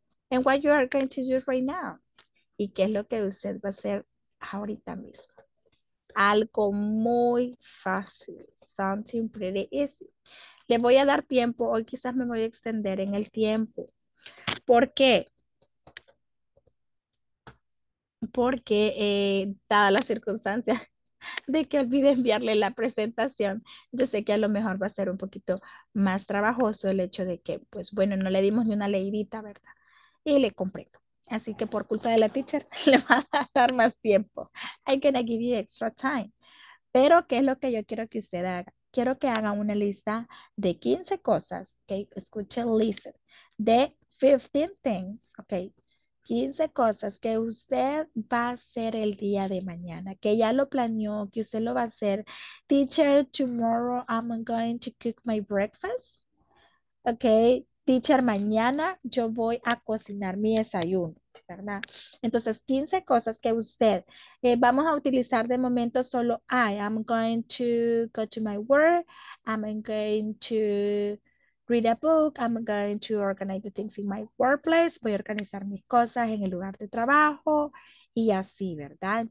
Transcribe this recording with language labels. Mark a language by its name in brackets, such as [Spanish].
[English] And what you are going to do right now. [Spanish] Y qué es lo que usted va a hacer ahorita mismo. Algo muy fácil. [English] Something pretty easy. [Spanish] Le voy a dar tiempo. Hoy quizás me voy a extender en el tiempo. ¿Por qué? Porque dada la circunstancia de que olvide enviarle la presentación, yo sé que a lo mejor va a ser un poquito más trabajoso el hecho de que, pues bueno, no le dimos ni una leidita, ¿verdad? Y le comprendo. Así que por culpa de la teacher, le va a dar más tiempo. [English] I'm gonna give you extra time. [Spanish] Pero, ¿qué es lo que yo quiero que usted haga? Quiero que haga una lista de 15 cosas, que ¿okay? Escuche, listen, de 15 things, ok, 15 cosas que usted va a hacer el día de mañana, que ya lo planeó, que usted lo va a hacer. [English] Teacher, tomorrow I'm going to cook my breakfast. [Spanish] Ok, teacher, mañana yo voy a cocinar mi desayuno, ¿verdad? Entonces, 15 cosas que usted, vamos a utilizar de momento solo [English] I'm going to go to my work, I'm going to read a book, I'm going to organize the things in my workplace, [Spanish] voy a organizar mis cosas en el lugar de trabajo y así, ¿verdad?